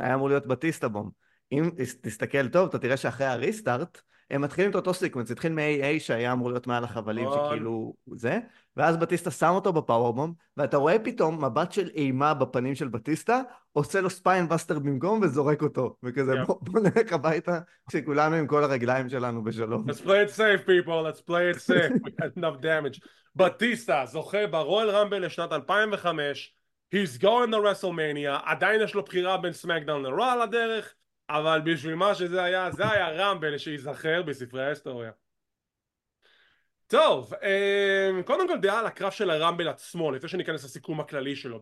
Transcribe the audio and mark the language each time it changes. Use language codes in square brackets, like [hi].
[he] היה אמור להיות בטיסטה בום. אם תסתכל טוב, אתה תראה שאחרי הריסטארט, הם מתחילים את אותו סיקוונס, התחיל מ-AA שהיה אמור להיות מעל החבלים, שכאילו זה, ואז בטיסטה שם אותו בפאוורבום, ואתה רואה פתאום מבט של אימה בפנים של בטיסטה, עושה לו ספיין בסטר במקום וזורק אותו, וכזה בוא נלך הביתה, כשכולנו עם כל הרגליים שלנו בשלום. [en] Let's play it safe, people, let's play it safe, we had enough damage. [he] בטיסטה זוכה ברויאל רמבל לשנת 2005, [en] he's going to WrestleMania, [he] עדיין יש לו בחירה בין סמקדאון לרואה על הדרך, אבל בשביל מה שזה היה, זה היה רמבל שיזכר בספרי ההיסטוריה. טוב, קודם כל דעה על הקרב של הרמבל עצמו, לפני שניכנס לסיכום הכללי שלו.